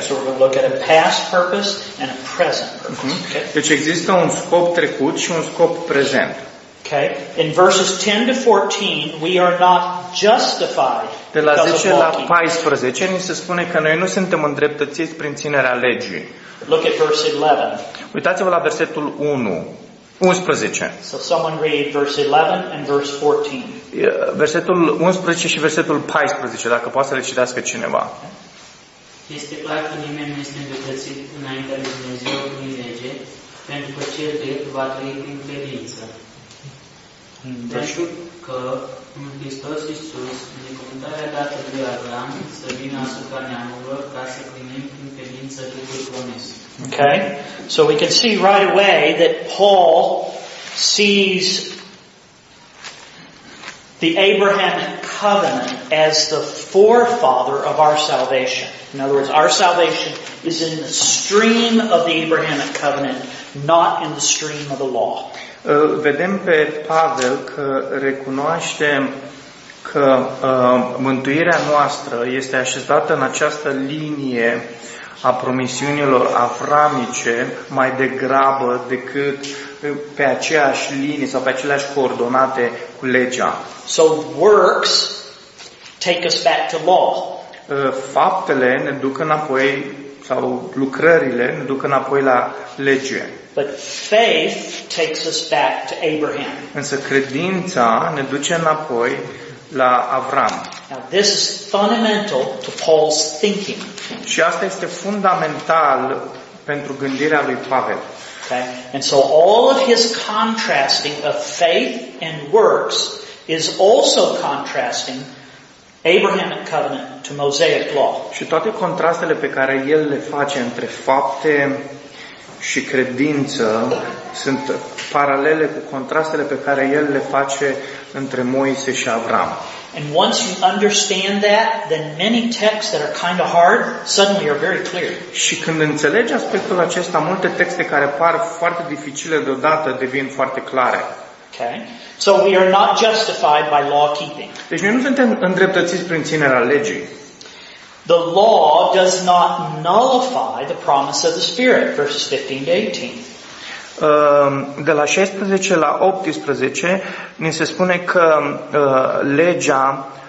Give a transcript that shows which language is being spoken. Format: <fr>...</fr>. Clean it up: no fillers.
<en>So we're going to look at a past purpose and a present purpose. Okay.</en> <ro>Deci există un scop trecut și un scop prezent.</ro> <en>Okay. In verses 10 to 14 we are not justified.</en> <ro>De la 10 la 14 ni se spune că noi nu suntem îndreptățiți prin ținerea legii.</ro> <en>Look at verse 11.</en> <ro>Uitați-vă la versetul 1. 11.</ro> <en>So someone read verse 11 and verse 14.</en> <ro>Versetul 11 și versetul 14, dacă poate să le citească cineva. Este clar că nimeni nu este îndreptățit înaintea lui Dumnezeu prin lege, pentru că cel drept va trăi prin credință. Pentru că în Hristos Iisus, binecuvântarea dată de Avram să vină asupra neamurilor ca să primim prin credință Duhul promis.</ro> <en>Okay, so we can see right away that Paul sees the Abrahamic covenant as the forefather of our salvation. In other words, our salvation is in the stream of the Abrahamic covenant, not in the stream of the law.</en> <ro>Vedem pe Pavel că recunoaște că mântuirea noastră este așezată în această linie a promisiunilor avramice mai degrabă decât pe aceeași linie sau pe aceleași coordonate cu legea.</ro> <en>So works take us back to law.</en> <ro>Faptele ne duc înapoi sau lucrările ne duc înapoi la lege.</ro> <en>But faith takes us back to Abraham.</en> <ro>Însă credința ne duce înapoi la Avram.</ro> <en>Now this is fundamental to Paul's thinking.</en> <ro>Și asta este fundamental pentru gândirea lui Pavel.</ro> <en>Okay? And so all of his contrasting of faith and works is also contrasting Abrahamic covenant to Mosaic law.</en> <ro>Și toate contrastele pe care el le face între fapte și credință sunt paralele cu contrastele pe care el le face între Moise și Avram.</ro> <en>And once you understand that, then many texts that are kind of hard suddenly are very clear.</en> <ro>Și când înțelegi aspectul acesta, multe texte care par foarte dificile deodată devin foarte clare.</ro> <en>Okay. So we are not justified by law keeping.</en> <ro>Deci noi nu suntem îndreptățiți prin ținerea legii.</ro> <en>The law does not nullify the promise of the Spirit, verses 15-18.</en> <ro>De la 16 la 18 ni se spune că legea</ro>